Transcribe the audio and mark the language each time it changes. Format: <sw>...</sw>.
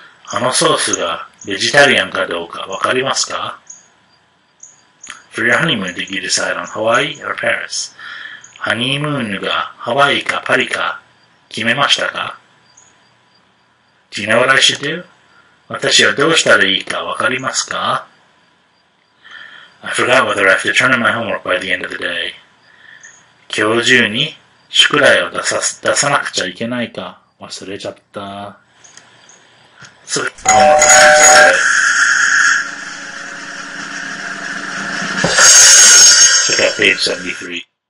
<ja>あのソースがベジタリアンかどうかわかりますか?</ja> <en>For your honeymoon, did you decide on Hawaii or Paris?</en> <ja>ハニームーンがハワイかパリか決めましたか?</ja> <en>Do you know what I should do?</en> <ja>私はどうしたらいいかわかりますか?</ja> <en>I forgot whether I have to turn in my homework by the end of the day.</en> <ja>今日中に宿題を出さなくちゃいけないか忘れちゃった。</ja> <en>それ、check out page 73.</en>